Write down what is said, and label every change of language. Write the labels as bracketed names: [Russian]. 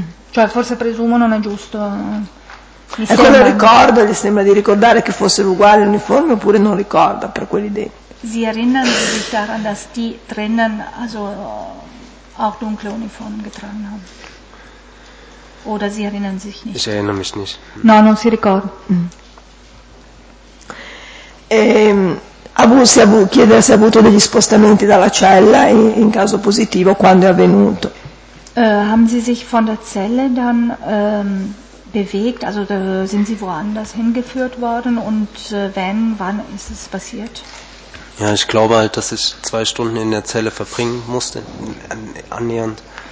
[Italian] Cioè forse presumo, non è giusto. Gli sembra di ricordare che fossero uguali l'uniforme oppure non ricorda per quelli dentro? [German] Sie erinnern sich daran, dass die drinnen, also auch dunkle Uniformen getragen haben. Oder Sie erinnern sich nicht? Ich erinnere mich nicht. [Italian] No, non si ricorda. Chiede se ha avuto degli spostamenti dalla cella, in caso positivo, quando è avvenuto. [German] Haben Sie sich von der Zelle dann bewegt, also sind Sie woanders hingeführt worden und wann ist es passiert? Ja, ich glaube halt, dass ich 2 Stunden in der Zelle verbringen musste, annähernd.